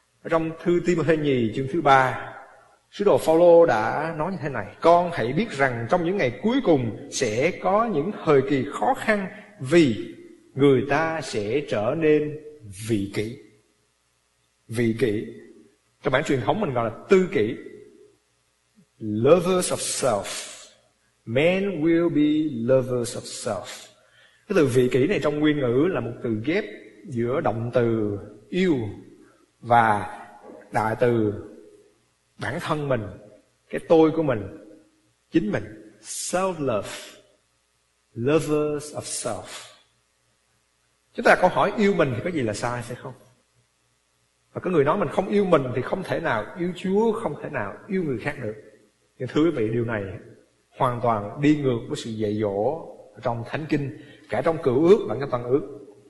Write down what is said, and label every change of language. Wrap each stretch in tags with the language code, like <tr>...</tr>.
<vi>Trong thư Timothy nhì chương thứ 3, sứ đồ Phaolô đã nói như thế này: con hãy biết rằng trong những ngày cuối cùng sẽ có những thời kỳ khó khăn vì người ta sẽ trở nên vị kỷ. Vị kỷ, trong bản truyền thống mình gọi là tư kỷ.</vi> <en>Lovers of self. Men will be lovers of self.</en> <vi>Cái từ vị kỷ này trong nguyên ngữ là một từ ghép giữa động từ yêu và đại từ bản thân mình, cái tôi của mình, chính mình.</vi> <en>Self-love, lovers of self.</en> <vi>Chúng ta có hỏi yêu mình thì có gì là sai phải không? Và có người nói mình không yêu mình thì không thể nào yêu Chúa, không thể nào yêu người khác được. Nhưng thưa quý vị, điều này hoàn toàn đi ngược với sự dạy dỗ trong Thánh Kinh, cả trong Cựu Ước và trong Toàn Ước.</vi>